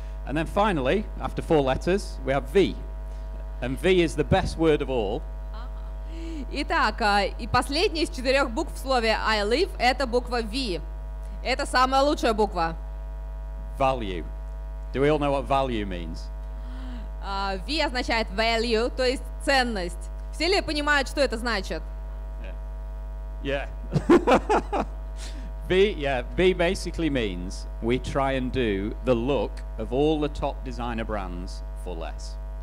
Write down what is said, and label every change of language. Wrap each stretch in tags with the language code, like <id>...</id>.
<en>And then finally, after four letters, we have V. And V is the best word of all.</en> <ru>Итак, и последняя из четырех букв в слове I live — это буква V. Это самая лучшая буква.</ru> <en>Value. Do we all know what value means?</en> <ru>V означает value, то есть ценность. Все ли понимают, что это значит?</ru> <en>Yeah. V basically means we try and do the look of all the top designer brands for less.</en>